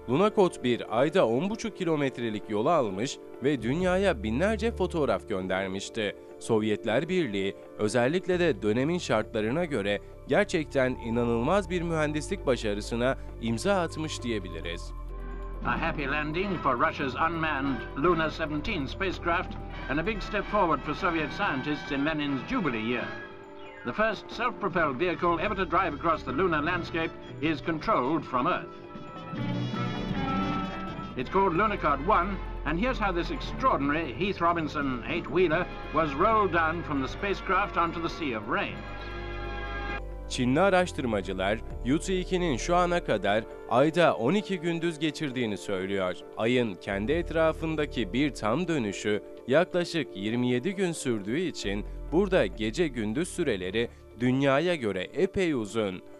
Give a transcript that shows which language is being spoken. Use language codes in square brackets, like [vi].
[tr] Lunokhod 1, Ay'da 10,5 kilometrelik yolu almış ve dünyaya binlerce fotoğraf göndermişti. Sovyetler Birliği, özellikle de dönemin şartlarına göre gerçekten inanılmaz bir mühendislik başarısına imza atmış diyebiliriz. [en] A happy landing for Russia's unmanned Luna 17 spacecraft and a big step forward for Soviet scientists in Lenin's Jubilee year. The first self-propelled vehicle ever to drive across the lunar landscape is controlled from Earth. It's called Lunokhod 1, and here's how this extraordinary Heath Robinson 8-wheeler was rolled down from the spacecraft onto the Sea of Rains. [tr] Çinli araştırmacılar, Yutu-2'nin şu ana kadar Ay'da 12 gündüz geçirdiğini söylüyor. Ay'ın kendi etrafındaki bir tam dönüşü yaklaşık 27 gün sürdüğü için burada gece gündüz süreleri dünyaya göre epey uzun.